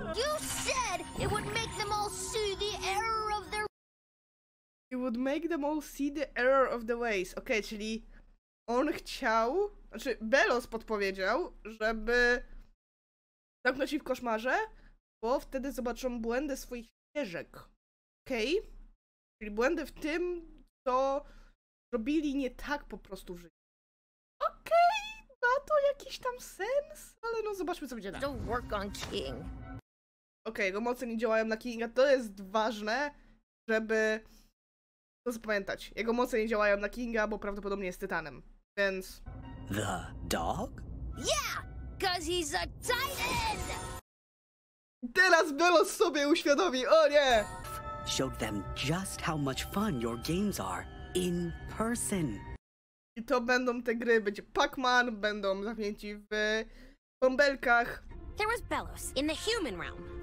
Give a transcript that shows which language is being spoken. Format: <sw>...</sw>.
<en>You said it would make them all see the error of their... It would make them all see the error of the ways.</en> <pl>Okej, czyli on chciał... Znaczy, Belos podpowiedział, żeby zamknąć ich w koszmarze, bo wtedy zobaczą błędy swoich ścieżek. Okej? Okay? Czyli błędy w tym, co robili nie tak po prostu w życiu. Okej, okay, ma to jakiś tam sens, ale no zobaczmy, co będzie dalej. Okej, okay, jego moce nie działają na Kinga. To jest ważne, żeby to zapamiętać. Jego moce nie działają na Kinga, bo prawdopodobnie jest tytanem, więc...</pl> <en>The dog? Yeah, cause he's a titan!</en> <pl>Teraz Belos sobie uświadomi, o nie!</pl> <en>Showed them just how much fun your games are in person.</en> <pl>I to będą te gry, będzie Pac-Man, będą zamknięci w bąbelkach.</pl> <en>There was Belos in the human realm.</en>